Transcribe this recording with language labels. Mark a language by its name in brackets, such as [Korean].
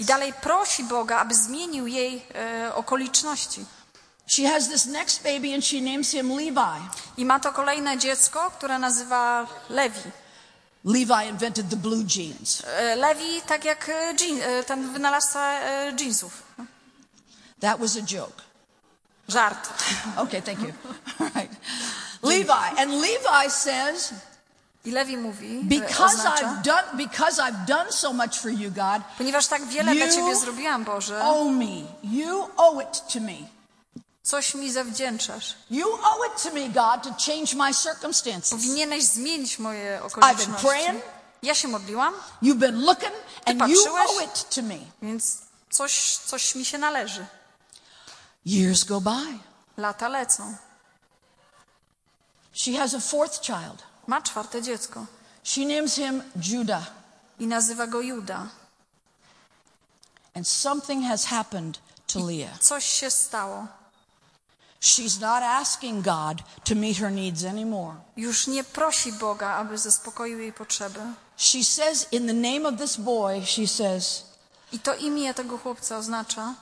[Polish] I dalej prosi Boga, aby zmienił jej okoliczności. [English] She has this next baby and she names him Levi. [Polish] I ma to kolejne dziecko, które nazywa Levi. [English] Levi invented the blue jeans. [Polish] Levi tak jak ten wynalazca jeansów. [English] That was a joke. [Polish] Żart. [English] Okay, thank you. All right. Levi and Levi says [Polish] i Levi mówi, [English] because [Polish] oznacza, [English] because I've done so much for you, God. [Polish] Ponieważ tak wiele dla ciebie zrobiłam, Boże. [English] Owe me. You owe it to me. [Polish] Coś mi zawdzięczasz. [English] You owe it to me, God, to change my circumstances. [Polish] Powinieneś zmienić moje okoliczności. [English] I've been praying. [Polish] Ja się modliłam. [English] You've been looking, and you owe it to me. [Polish] Więc coś mi się należy. [English] Years go by. [Polish] Lata lecą. [English] She has a fourth child. [Polish] Ma czwarte dziecko. [English] She names him Judah. [Polish] I nazywa go Juda. [English] And something has happened to Leah. [Polish] Coś się stało. [English] She's not asking God to meet her needs anymore. [Polish] Już nie prosi Boga, aby zaspokoił jej potrzeby. [English] She says in the name of this boy, she says. [Polish] I to imię tego chłopca oznacza.